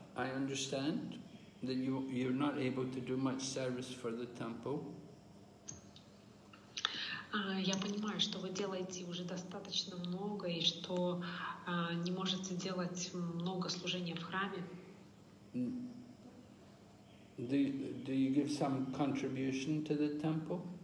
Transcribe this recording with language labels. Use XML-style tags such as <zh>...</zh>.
<en>I understand that you're not able to do much service for the temple.</en> <ru>Я понимаю, что вы делаете уже достаточно много и что не можете делать много служения в храме.</ru> <en>Do you give some contribution to the temple?</en>